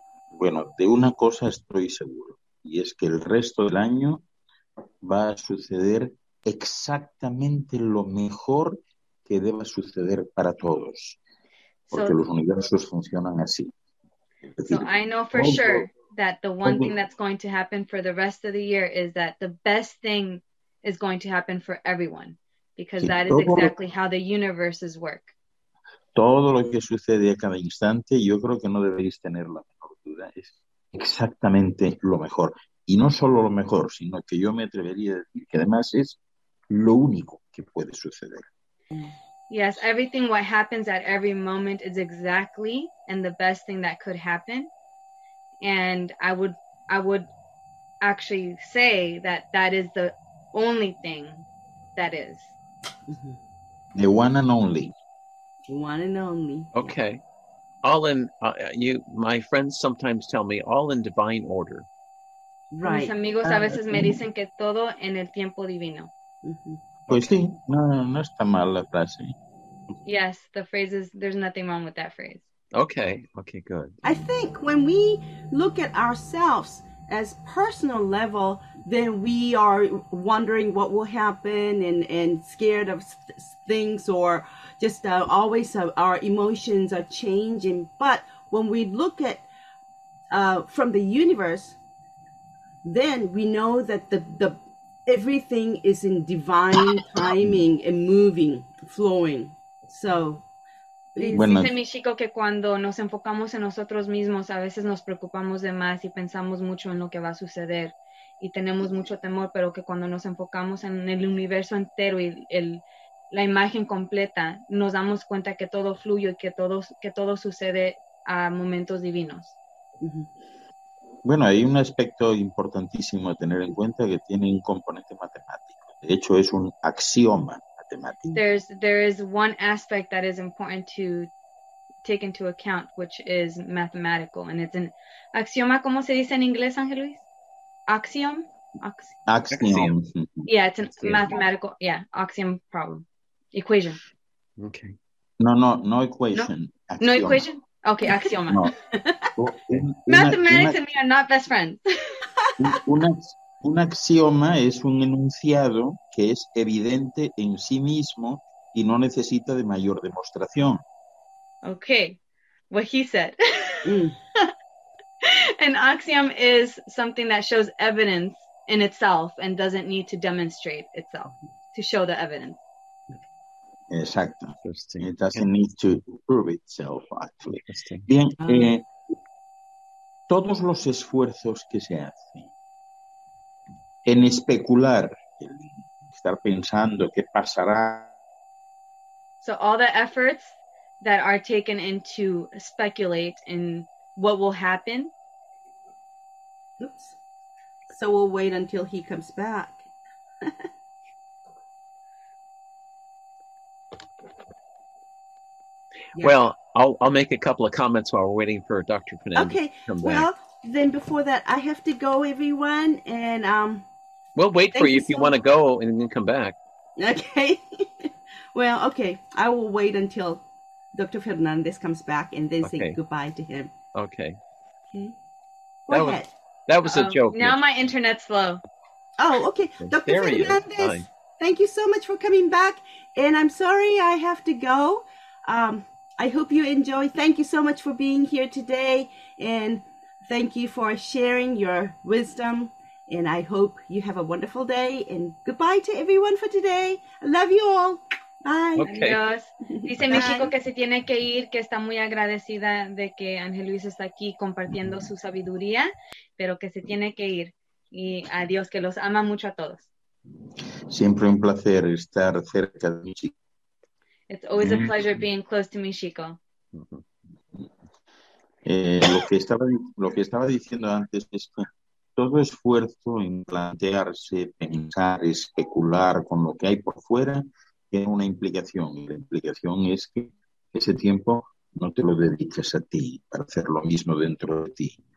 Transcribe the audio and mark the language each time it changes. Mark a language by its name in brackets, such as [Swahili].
[Spanish] Bueno, de una cosa estoy seguro, y es que el resto del año va a suceder exactamente lo mejor que deba suceder para todos, porque los universos funcionan así. [English] So I know for sure that the one thing that's going to happen for the rest of the year is that the best thing is going to happen for everyone, because that is exactly how the universes work. [Spanish] Todo lo que sucede a cada instante, yo creo que no debéis tener la menor duda. Es Exactamente lo mejor. Y no solo lo mejor, sino que yo me atrevería a decir que además es lo único que puede suceder. [English] Yes, everything what happens at every moment is exactly and the best thing that could happen. And I would actually say that that is the only thing that is. The one and only. One and only. Okay. All in, you, my friends sometimes tell me, all in divine order. Right. [Spanish] Mis amigos a veces me dicen que todo en el tiempo divino. Mm-hmm. Pues okay. Sí, no está mal la frase. [English] Yes, the phrase is, there's nothing wrong with that phrase. Okay, good. I think when we look at ourselves as personal level, then we are wondering what will happen and scared of things or just always our emotions are changing. But when we look at from the universe, then we know that the everything is in divine timing and moving, flowing. So, [Spanish] bueno. Dice mi chico que cuando nos enfocamos en nosotros mismos, a veces nos preocupamos de más y pensamos mucho en lo que va a suceder y tenemos mucho temor, pero que cuando nos enfocamos en el universo entero y la imagen completa, nos damos cuenta que todo fluye y que todo sucede a momentos divinos. Bueno, hay un aspecto importantísimo a tener en cuenta que tiene un componente matemático. De hecho, es un axioma. [English] There is one aspect that is important to take into account, which is mathematical, and it's an axioma. [Spanish] ¿Cómo se dice en inglés, Ángel Luis? Axiom? [English] Axiom. Yeah, it's a mathematical, axiom problem. Equation. Okay. No equation. No? No equation? Okay, axioma. No. Mathematics and me are not best friends. [Spanish] Un axioma es un enunciado que es evidente en sí mismo y no necesita de mayor demostración. [English] Okay, what he said. An axiom is something that shows evidence in itself and doesn't need to demonstrate itself to show the evidence. [Spanish] Exacto. [English] It doesn't need to prove itself, actually. [Spanish] Bien, todos los esfuerzos que se hacen en especular, estar pensando qué pasará. [English] So all the efforts that are taken in to speculate in what will happen. Oops. So we'll wait until he comes back. Yeah. Well, I'll make a couple of comments while we're waiting for Dr. Fernandez okay. to come well, back. Well, then before that, I have to go, everyone, and we'll wait for you if you want to go and then come back. Okay. Well, okay. I will wait until Dr. Fernandez comes back and then say goodbye to him. Okay. Okay. Go ahead. That was a joke. Now my internet's slow. Oh, okay. Dr. Fernandez, thank you so much for coming back. And I'm sorry I have to go. I hope you enjoy. Thank you so much for being here today. And thank you for sharing your wisdom. And I hope you have a wonderful day. And goodbye to everyone for today. I love you all. Bye. [Spanish] Okay. Adiós. Dice mi chico que se tiene que ir, que está muy agradecida de que Ángel Luis está aquí compartiendo su sabiduría, pero que se tiene que ir. Y adiós, que los ama mucho a todos. Siempre un placer estar cerca de mi chico. [English] It's always a pleasure being close to [Spanish] mi chico. Lo que estaba diciendo antes es que todo esfuerzo en plantearse, pensar, especular con lo que hay por fuera tiene una implicación. Y la implicación es que ese tiempo no te lo dediques a ti para hacer lo mismo dentro de ti.